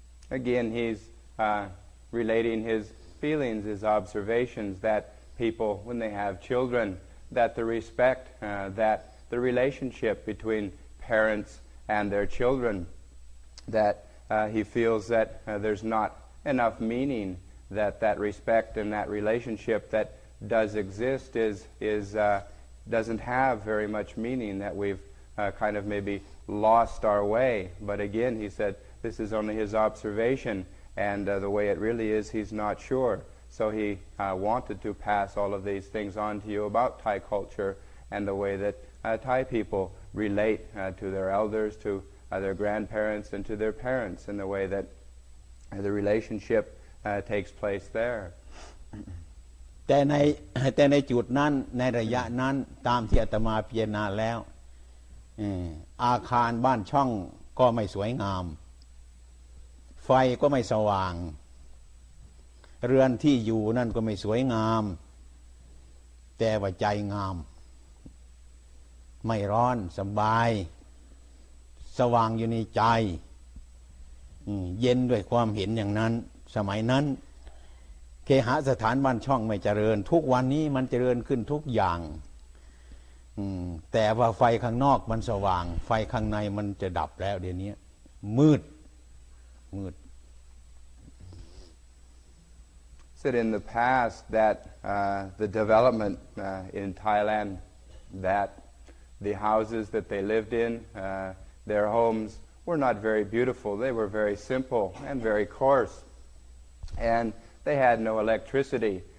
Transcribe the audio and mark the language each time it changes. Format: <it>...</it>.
<en>Again he's relating his feelings his observations that people when they have childrenthat the respect, that the relationship between parents and their children, that he feels that there's not enough meaning, that that respect and that relationship that does exist is doesn't have very much meaning, that we've kind of maybe lost our way. But again, he said, this is only his observation, and the way it really is, he's not sure. So he wanted to pass all of these things on to you about Thai culture and the way that Thai people relate to their elders, to their grandparents, and to their parents, and the way that the relationship takes place there.</en> <th>แต่ในจุดนั้นในระยะนั้นตามที่อาตมาพิจารณาแล้วอาคารบ้านช่องก็ไม่สวยงามไฟก็ไม่สว่างเรือนที่อยู่นั่นก็ไม่สวยงามแต่ว่าใจงามไม่ร้อนสบายสว่างอยู่ในใจ เย็นด้วยความเห็นอย่างนั้นสมัยนั้นเคหสถานบ้านช่องไม่เจริญทุกวันนี้มันเจริญขึ้นทุกอย่างแต่ว่าไฟข้างนอกมันสว่างไฟข้างในมันจะดับแล้วเดี๋ยวนี้มืด</th> <en>Said in the past that the development in Thailand, that the houses that they lived in, their homes were not very beautiful. They were very simple and very coarse, and they had no electricity.</en>